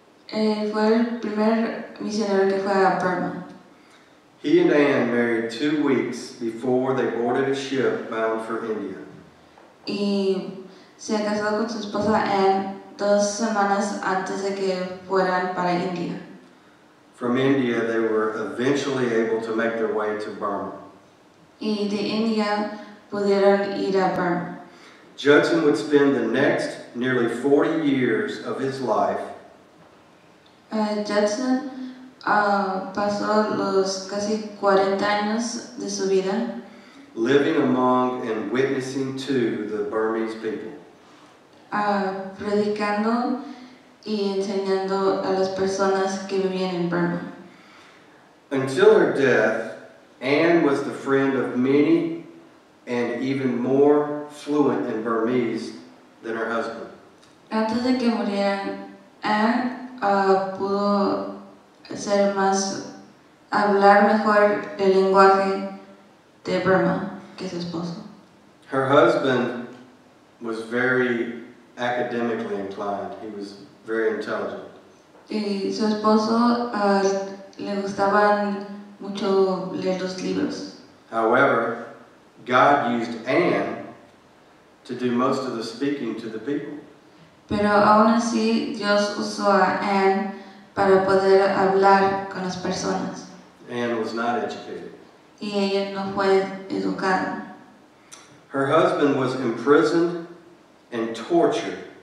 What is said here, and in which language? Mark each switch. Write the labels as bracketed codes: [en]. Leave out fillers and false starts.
[es] Fue el primer misionero que fue a Burma. [en] He and Ann married 2 weeks before they boarded a ship bound for India. [es] Y se ha casado con su esposa Ann 2 semanas antes de que fueran para India. [en] From India, they were eventually able to make their way to Burma. [es] Y de India pudieron ir a Burma. [en] Judson would spend the next nearly 40 years of his life. [es] Judson pasó los casi 40 años de su vida [en] living among and witnessing to the Burmese people. [es] Predicando y enseñando a las personas que vivían en Burma. [en] Until her death, Anne was the friend of many and even more fluent in Burmese than her husband. [es] Antes de que muriera, Anne pudo ser más, hablar mejor el lenguaje de Burma que su esposo. [en] Her husband was very academically inclined. He was very intelligent. [es] Y su esposo le gustaban mucho leer los libros. [en] However, God used Anne to do most of the speaking to the people. [es] Pero aún así, Dios usó a Anne para poder hablar con las personas. [en] Anne was not educated. [es] Y ella no fue educada. [en] Her husband was imprisoned and tortured.